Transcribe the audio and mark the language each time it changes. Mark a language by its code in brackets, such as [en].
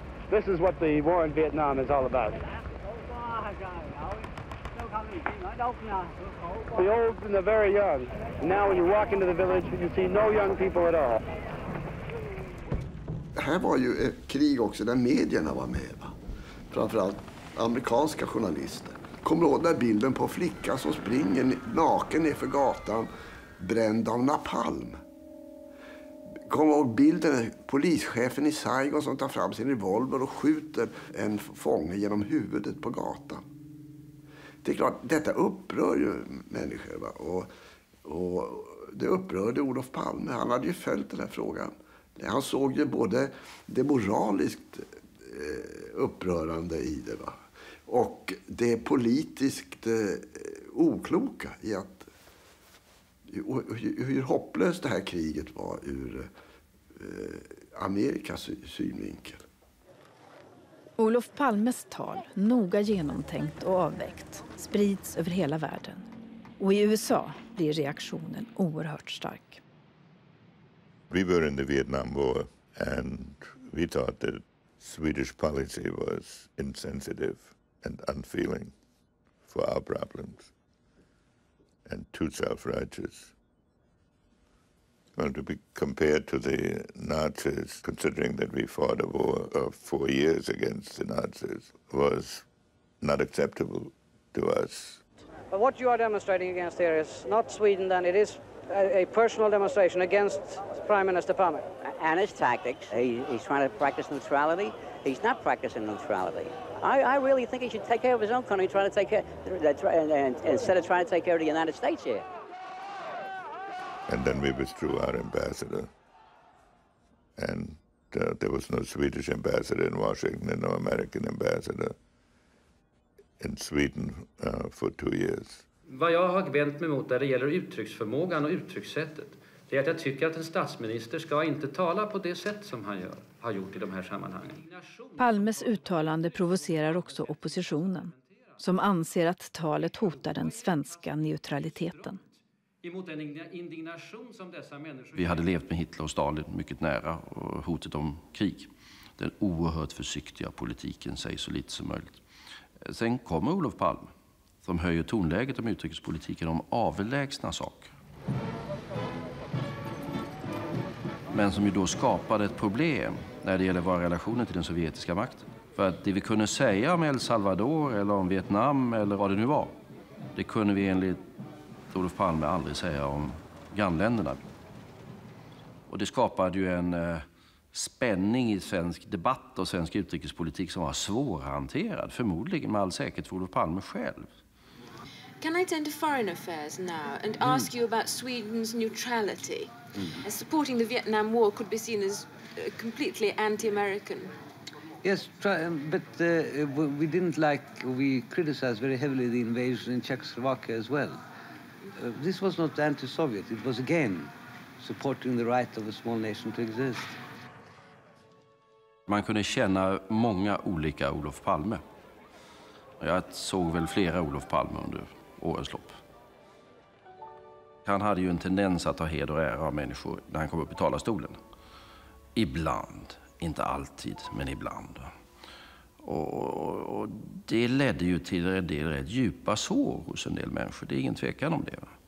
[en] This is what the war in Vietnam is all about. The old and the very young. Now when you walk into the village you see no young people at all. [sv] Här var ju ett krig också där medierna var med, va? Framförallt amerikanska journalister. Kommer du ihåg den där bilden på flickan som springer naken ner för gatan, bränd av napalm? Kommer du ihåg bilden av polischefen i Saigon som tar fram sin revolver och skjuter en fånge genom huvudet på gatan? Det är klart, detta upprör ju människor, va? Och det upprörde Olof Palme. Han hade ju följt den här frågan. Han såg ju både det moraliskt upprörande i det, va? Och det politiskt okloka i att hur hopplöst det här kriget var ur Amerikas synvinkel. Olof Palmes tal, noga genomtänkt och avvägt, sprids över hela världen. Och i USA blir reaktionen oerhört stark. [en] We were in the Vietnam War and we thought that Swedish policy was insensitive and unfeeling for our problems and too self-righteous. Well, to be compared to the Nazis, considering that we fought a war of 4 years against the Nazis, was not acceptable to us. But what you are demonstrating against here is not Sweden, then it is a personal demonstration against Prime Minister Palme. And his tactics. He's trying to practice neutrality. He's not practicing neutrality. I really think he should take care of his own country, trying to take care, instead of trying to take care of the United States here. And then we withdrew our ambassador. And there was no Swedish ambassador in Washington and no American ambassador in Sweden for 2 years. [sv] Vad jag har vänt mig mot där det gäller uttrycksförmågan och uttryckssättet, det är att jag tycker att en statsminister ska inte tala på det sätt som han gör, har gjort i de här sammanhangen. Palmes uttalande provocerar också oppositionen, som anser att talet hotar den svenska neutraliteten. Emot den indignation som dessa människor... Vi hade levt med Hitler och Stalin mycket nära och hotet om krig. Den oerhört försiktiga politiken säger så lite som möjligt. Sen kommer Olof Palme, som höjer tonläget om utrikespolitiken om avlägsna saker. Men som ju då skapade ett problem när det gäller våra relationer till den sovjetiska makten. För att det vi kunde säga om El Salvador eller om Vietnam eller vad det nu var, Det kunde vi enligt Olof Palme aldrig säga om grannländerna. Och det skapade ju en spänning i svensk debatt och svensk utrikespolitik som var svårhanterad, förmodligen med all säkerhet för Olof Palme själv. [en] Can I turn to foreign affairs now and ask you about Sweden's neutrality? As supporting the Vietnam War could be seen as completely anti-American. Yes, but we didn't like, we criticized very heavily the invasion in Czechoslovakia as well. This was not anti-Soviet, it was again supporting the right of a small nation to exist. [sv] Man kunde känna många olika Olof Palme. Jag såg väl flera Olof Palme under årens lopp. Han hade ju en tendens att ta heder och ära av människor när han kom upp i talarstolen. Ibland, inte alltid, men ibland. Och det ledde ju till en del rätt djupa sår hos en del människor. Det är ingen tvekan om det.